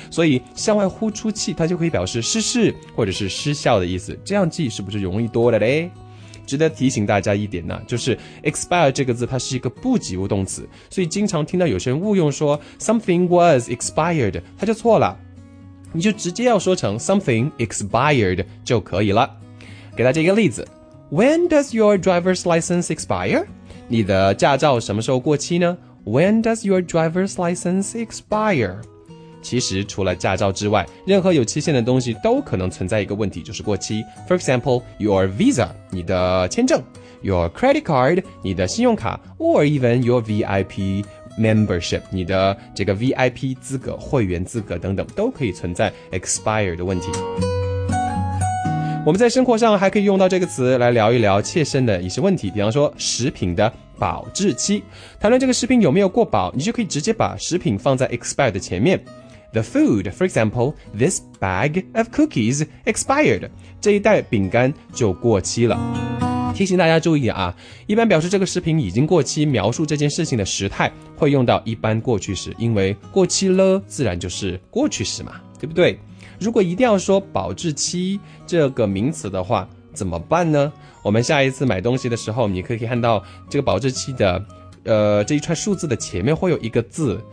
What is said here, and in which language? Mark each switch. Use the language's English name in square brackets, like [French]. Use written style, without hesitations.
[Chinese] 所以向外呼出气他就可以表示失事或者是失效的意思，这样记是不是容易多了嘞？值得提醒大家一点呢，就是 expire 这个字它是一个不及物动词，所以经常听到有些人误用说 [English] something was expired， [Chinese] 他就错了，你就直接要说成 [English] something expired [Chinese] 就可以了。给大家一个例子， [English] When does your driver's license expire? [Chinese] 你的驾照什么时候过期呢？ [English] When does your driver's license expire? [Chinese] 其实除了驾照之外，任何有期限的东西都可能存在一个问题，就是过期。 [English] For example, your visa, [Chinese] 你的签证， [English] your credit card, [Chinese] 你的信用卡， [English] or even your VIP membership, [Chinese] 你的这个 VIP 资格、会员资格等等，都可以存在 expire 的问题。我们在生活上还可以用到这个词来聊一聊切身的一些问题，比方说食品的保质期，谈论这个食品有没有过保，你就可以直接把食品放在 expire 的前面。 [English] The food, for example, this bag of cookies expired, [Chinese] 这一袋饼干就过期了。提醒大家注意啊，一般表示这个食品已经过期，描述这件事情的时态会用到一般过去时，因为过期了自然就是过去时嘛，对不对？如果一定要说保质期这个名词的话怎么办呢？我们下一次买东西的时候，你可以看到这个保质期的这一串数字的前面会有一个字，